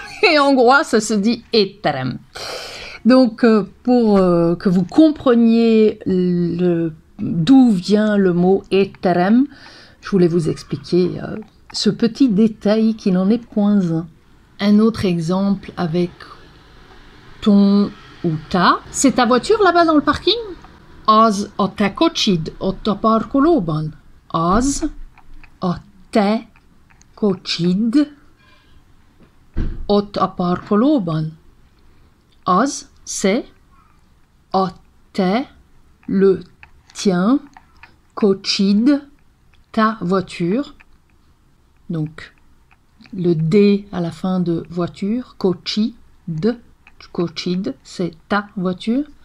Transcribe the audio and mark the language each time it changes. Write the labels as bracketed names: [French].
[French] Et en hongrois, ça se dit étrem. Donc pour que vous compreniez d'où vient le mot étrem, je voulais vous expliquer ce petit détail qui n'en est point un. Un autre exemple avec ton ou ta. C'est ta voiture là-bas dans le parking ? [Hungarian] Az a te kocsid ott a parkolóban. Az a te kocsid ott a parkolóban. [French] Az, c'est a te, le tien, kocsid, ta voiture. Donc, le D à la fin de voiture, kocsid, kocsid, c'est ta voiture.